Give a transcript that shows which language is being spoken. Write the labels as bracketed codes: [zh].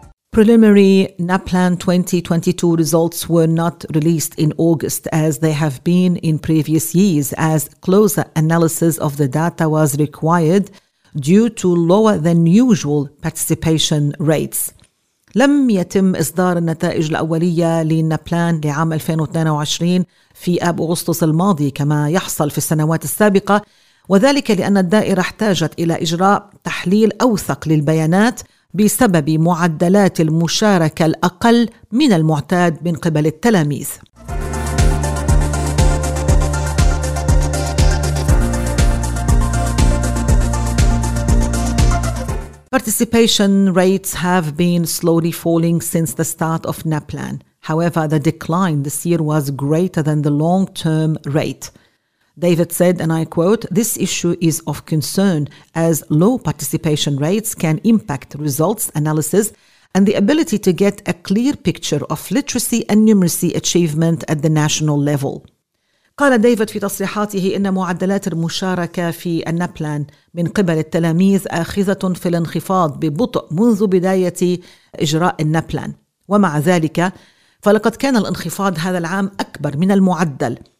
[en] Preliminary NAPLAN 2022 results were not released in August as they have been in previous years, as closer analysis of the data was required due to lower than usual participation rates. [ar] لم يتم إصدار النتائج الأولية للنابلان لعام 2022 في آب أغسطس الماضي كما يحصل في السنوات السابقة، وذلك لأن الدائرة احتاجت إلى إجراء تحليل أوثق للبيانات بسبب معدلات المشاركة الأقل من المعتاد من قبل التلاميذ. [en] Participation rates have been slowly falling since the start of NAPLAN. However, the decline this year was greater than the long-term rate. David said, and I quote, "This issue is of concern as low participation rates can impact results analysis and the ability to get a clear picture of literacy and numeracy achievement at the national level." [ar] قال ديفيد في تصريحاته إن معدلات المشاركة في النابلان من قبل التلاميذ آخذة في الانخفاض ببطء منذ بداية إجراء النابلان، ومع ذلك فلقد كان الانخفاض هذا العام أكبر من المعدل.